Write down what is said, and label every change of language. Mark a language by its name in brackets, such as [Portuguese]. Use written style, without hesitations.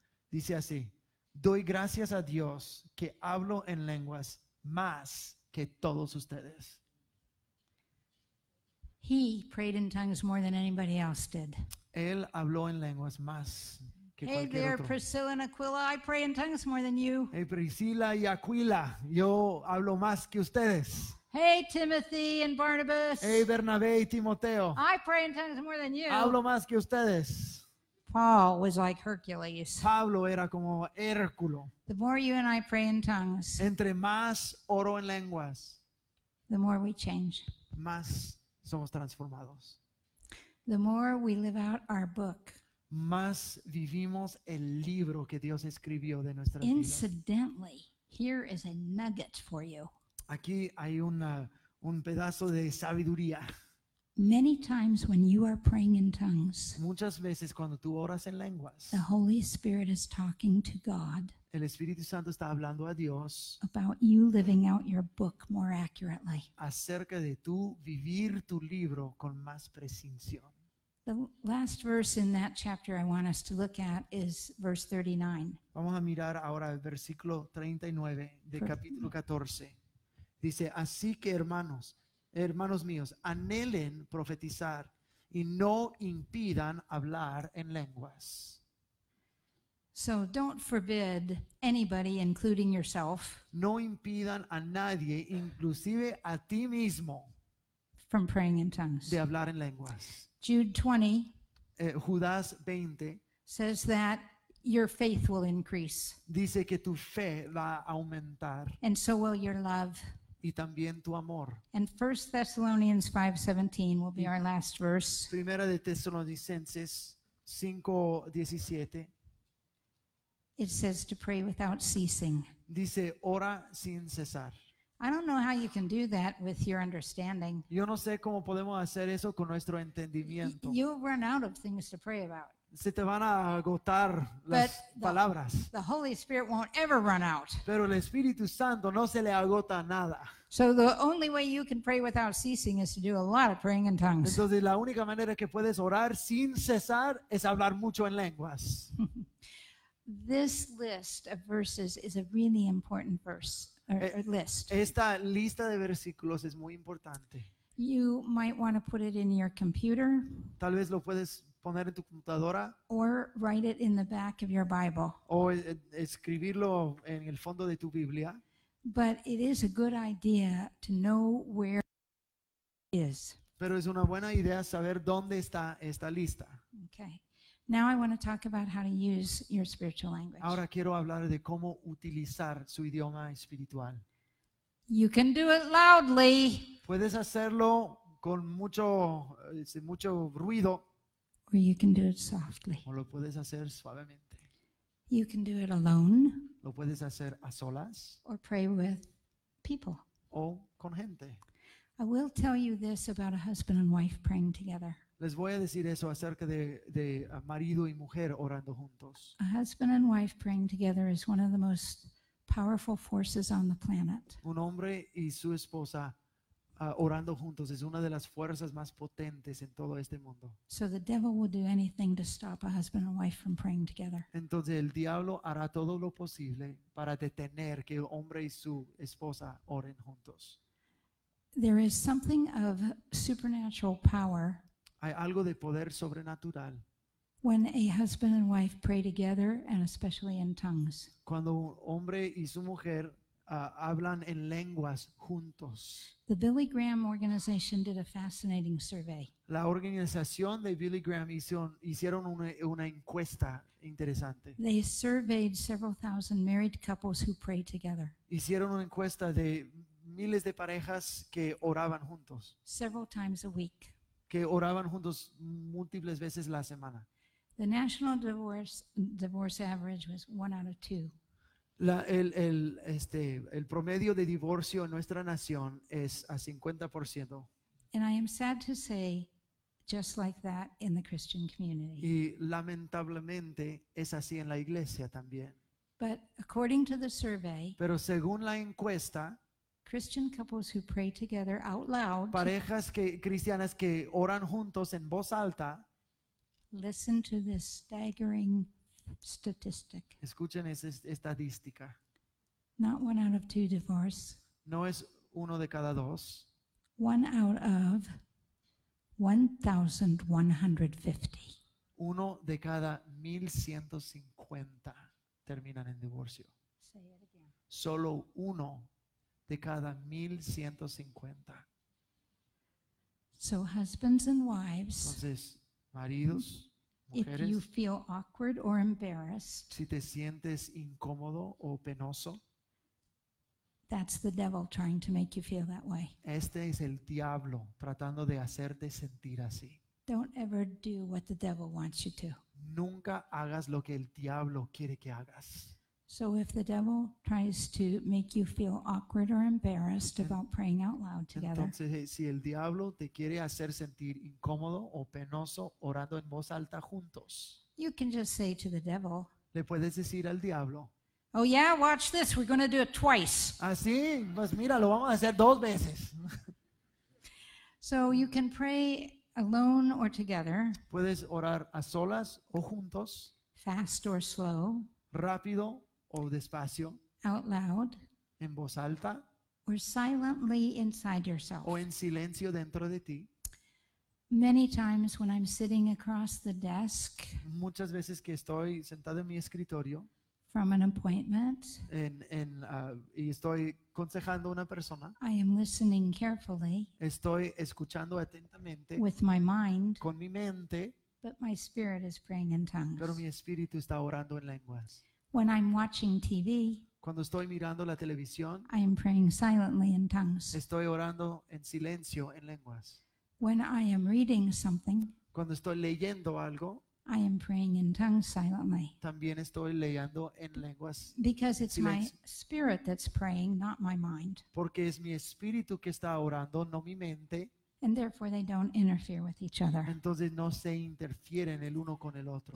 [Spanish] Dice así: doy gracias a Dios que hablo en lenguas más que todos ustedes. [English] He prayed in tongues more than anybody else did. [Spanish] Él habló en lenguas más que cualquier otro. Hey [English] there, Priscilla and Aquila, I pray in tongues more than you. [Spanish] Hey Priscilla y Aquila, yo hablo más que ustedes. [English] Hey Timothy and Barnabas. [Spanish] Hey Bernabé y Timoteo. [English] I pray in tongues more than you. [Spanish] Hablo más que ustedes. [English] Paul was like Hercules. [Spanish] Pablo era como Hérculo. [English] The more you and I pray in tongues, [Spanish] entre más oro en lenguas, [English] the more we change. [Spanish] Más somos transformados. [English] The more we live out our book, [Spanish] más vivimos el libro que Dios escribió de nuestra vida. [English] Incidentally, here is a nugget for you. [Spanish] Aquí hay un pedazo de sabiduría. [English] Many times when you are praying in tongues, [Spanish] muchas veces cuando tú oras en lenguas, [English] the Holy Spirit is talking to God. [Spanish] El Espíritu Santo está hablando a Dios [English] about you living out your book more accurately. [Spanish] Acerca de tú vivir tu libro con más precisión. [English] The last verse in that chapter I want us to look at is verse 39. [Spanish] Vamos a mirar ahora el versículo 39 de capítulo 14. Dice, así que hermanos míos, anhelen profetizar y no impidan hablar en lenguas. [English] So don't forbid anybody, including yourself, [Spanish] no impidan a nadie, inclusive a ti mismo, [English] from praying in tongues, [Spanish] de hablar en lenguas. [English] Jude 20, [Spanish] Judas 20 [English] says that your faith will increase. [Spanish] Dice que tu fe va a aumentar. [English] And so will your love. [Spanish] Y también tu amor. [English] And 1 Thessalonians 5:17 will be our last verse. [Spanish] Primera de Tesalonicenses 5:17. [English] It says to pray without ceasing. [Spanish] Dice, ora sin cesar. [English] I don't know how you can do that with your understanding. [Spanish] Yo no sé cómo podemos hacer eso con nuestro entendimiento. [English] You'll run out of things to pray about. [Spanish] Se te van a agotar las palabras. [English] The Holy Spirit won't ever run out. [Spanish] Pero el Espíritu Santo no se le agota nada. [English] So the only way you can pray without ceasing is to do a lot of praying in tongues. [Spanish] Entonces la única manera que puedes orar sin cesar es hablar mucho en lenguas. [English] This list of verses is a really important list. [Spanish] Esta lista de versículos es muy importante. [English] You might want to put it in your computer. [Spanish] Tal vez lo puedes poner en tu computadora. [English] Or write it in the back of your Bible. [Spanish] O escribirlo en el fondo de tu Biblia. [English] But it is a good idea to know where it is. [Spanish] Pero es una buena idea saber dónde está esta lista. [English] Okay. Now I want to talk about how to use your spiritual language. [Spanish] Ahora quiero hablar de cómo utilizar su idioma espiritual. [English] You can do it loudly. [Spanish] Puedes hacerlo con mucho ruido. [English] Or you can do it softly. [Spanish] O lo puedes hacer suavemente. [English] You can do it alone. [Spanish] Lo puedes hacer a solas. [English] Or pray with people. [Spanish] O con gente. [English] I will tell you this about a husband and wife praying together. [Spanish] Les voy a decir eso acerca de marido y mujer orando juntos. [English] A husband and wife praying together is one of the most powerful forces on the planet. [Spanish] Un hombre y su esposa orando juntos es una de las fuerzas más potentes en todo este mundo. [English] So the devil will do anything to stop a husband and wife from praying together. [Spanish] Entonces el diablo hará todo lo posible para detener que el hombre y su esposa oren juntos. [English] There is something of supernatural power. [Spanish] Hay algo de poder sobrenatural. [English] When a husband and wife pray together, and especially in tongues. [Spanish] Cuando un hombre y su mujer hablan en lenguas juntos. [English] The Billy Graham organization did a fascinating survey. [Spanish] La organización de Billy Graham hicieron una encuesta interesante. [English] They surveyed several thousand married couples who pray together. [Spanish] Hicieron una encuesta de miles de parejas que oraban juntos. [English] Several times a week. [Spanish] Que oraban juntos múltiples veces la semana. [English] The national divorce average was 1 out of 2. [Spanish] El promedio de divorcio en nuestra nación es a 50%. [English] And I am sad to say, just like that in the Christian community. [Spanish] Y lamentablemente es así en la iglesia también. [English] But according to the survey, [Spanish] pero según la encuesta, [English] Christian couples who pray together out loud, [Spanish] parejas cristianas que oran juntos en voz alta, [English] listen to this staggering statistic. [Spanish] Escuchen esa estadística. [English] Not 1 out of 2 divorce. [Spanish] No es uno de cada dos. [English] 1 out of 1,150. [Spanish] Uno de cada 1,150 terminan en divorcio. [English] Say it again. [Spanish] Solo uno de cada 1,150. [English] So husbands and wives, [Spanish] entonces, maridos, mujeres, [English] if you feel awkward or embarrassed, [Spanish] si te sientes incómodo o penoso, [English] that's the devil trying to make you feel that way. [Spanish] Este es el diablo tratando de hacerte sentir así. [English] Don't ever do what the devil wants you to. [Spanish] Nunca hagas lo que el diablo quiere que hagas. [English] So if the devil tries to make you feel awkward or embarrassed about praying out loud together, [Spanish] entonces si el diablo te quiere hacer sentir incómodo o penoso orando en voz alta juntos, [English] you can just say to the devil, [Spanish] le puedes decir al diablo, [English] oh yeah, watch this, we're going to do it twice. [Spanish] Así, pues mira, lo vamos a hacer dos veces. [English] So you can pray alone or together. [Spanish] Puedes orar a solas o juntos. [English] Fast or slow. [Spanish] Rápido o despacio. [English] Out loud. [Spanish] En voz alta. [English] Or silently inside yourself. [Spanish] O en silencio dentro de ti. [English] Many times when I'm sitting across the desk, [Spanish] muchas veces que estoy sentado en mi escritorio, [English] from an appointment, [Spanish] y estoy aconsejando a una persona, [English] I am listening carefully, [Spanish] estoy escuchando atentamente, [English] with my mind, [Spanish] con mi mente, [English] but my spirit is praying in tongues. [Spanish] Pero mi espíritu está orando en lenguas. [English] When I'm watching TV, [Spanish] cuando estoy mirando la televisión, [English] I am praying silently in tongues. [Spanish] Estoy orando en silencio en lenguas. [English] When I am reading something, [Spanish] cuando estoy leyendo algo, [English] I am praying in tongues silently. [Spanish] También estoy leyendo en lenguas. [English] Because it's my spirit that's praying, not my mind. [Spanish] Porque es mi espíritu que está orando, no mi mente. [English] And therefore they don't interfere with each other. [Spanish] Entonces no se interfieren el uno con el otro.